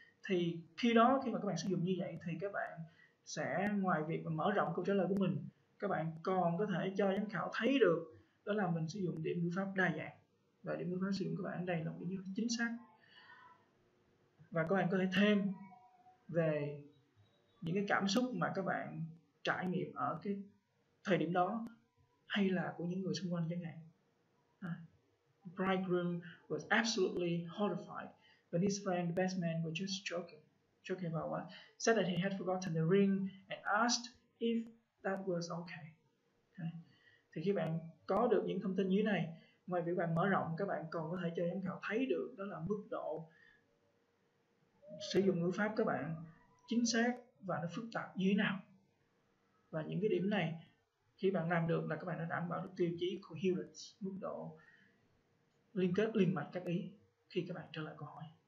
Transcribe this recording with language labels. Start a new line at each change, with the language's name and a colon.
Vietnamese: Thì khi đó khi mà các bạn sử dụng như vậy thì các bạn sẽ ngoài việc mà mở rộng câu trả lời của mình, các bạn còn có thể cho giám khảo thấy được đó là mình sử dụng điểm ngữ pháp đa dạng. Và điểm ngữ pháp sử dụng các bạn ở đây là một điểm ngữ pháp chính xác. Và các bạn có thể thêm về những cái cảm xúc mà các bạn trải nghiệm ở cái thời điểm đó, hay là của những người xung quanh chẳng hạn.
English: Bridegroom was absolutely horrified when his friend, the best man, was just joking about what, said that he had forgotten the ring and asked if that was okay.
Vietnamese: Thì khi bạn có được những thông tin như thế này, ngoài việc bạn mở rộng, các bạn còn có thể cho giám khảo thấy được đó là mức độ sử dụng ngữ pháp các bạn chính xác và nó phức tạp như thế nào. Và những cái điểm này khi bạn làm được là các bạn đã đảm bảo được tiêu chí coherence, mức độ liên kết liền mạch các ý khi các bạn trả lời câu hỏi.